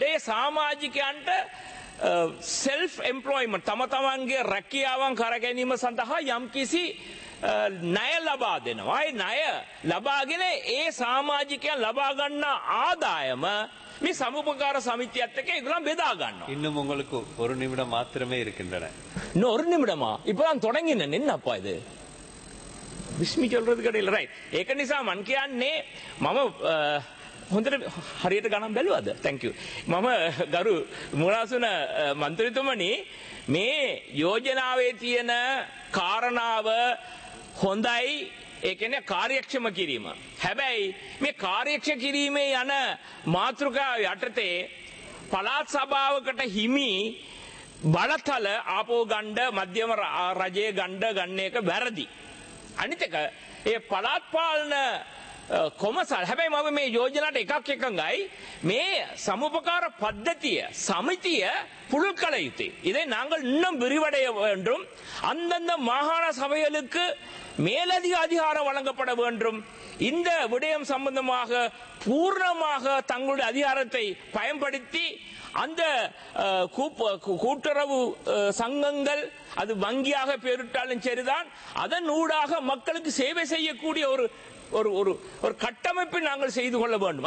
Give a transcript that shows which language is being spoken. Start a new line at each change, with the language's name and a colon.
Sinhala: ඒ සමාජිකයන්ට self employment තම තමන්ගේ රැකියාවන් කර ගැනීම සඳහා යම්කිසි ණය ලබා දෙනවා. ඒ ණය ලබාගෙන ඒ සමාජිකයන් ලබා ගන්නා ආදායම මේ සමුපකාර සමිතියත් එක්ක ඒගොල්ලන් බෙදා ගන්නවා.
Tamil: இன்னும் உங்களுக்கு ஒரு நிமிடம் மட்டுமே இருக்கின்றன. இன்னும் ஒரு நிமிடமா? இப்போதான் தொடங்கின நின்ன அப்பா இது. விஸ்மி சொல்றது கடையில் ரைட்.
Sinhala: ஏක නිසා මං කියන්නේ මම හොඳට හරියට ගණන් බැලුවද?
English: Thank you.
Sinhala: මම ගරු මුලාසුන මන්ත්‍රීතුමනි, මේ යෝජනාවේ තියෙන කාරණාව හොඳයි. ඒ කියන්නේ කාර්යක්ෂම කිරීම. හැබැයි මේ කාර්යක්ෂ කිරීමේ යන මාතෘකාව යටතේ පළාත් සභාවකට හිමි බලතල ආපෝ ගණ්ඩ මධ්‍යම රජයේ ගණ්ඩ ගන්න එක වැරදි. අනිත් එක ඒ පළාත් පාලන කොමසල්. හැබැයි මම මේ යෝජනාට එකක් එකඟයි. මේ සමුපකාර පද්ධතිය සමිතිය පුළුල් කළ යුතුයි.
Tamil: இதை நாங்கள் இன்னும் விரிவடைய வேண்டும். அந்தந்த மாகாண சபைகளுக்கு மேலதிக அதிகாரம் வழங்கப்பட வேண்டும். இந்த விடயம் சம்பந்தமாக பூர்ணமாக தங்களுடைய அதிகாரத்தை பயன்படுத்தி அந்த கூட்டுறவு சங்கங்கள் அது வங்கியாக பெயரிட்டாலும் சரிதான், அதன் ஊடாக மக்களுக்கு சேவை செய்யக்கூடிய ஒரு ஒரு கட்டமைப்பை நாங்கள் செய்து கொள்ள வேண்டும்.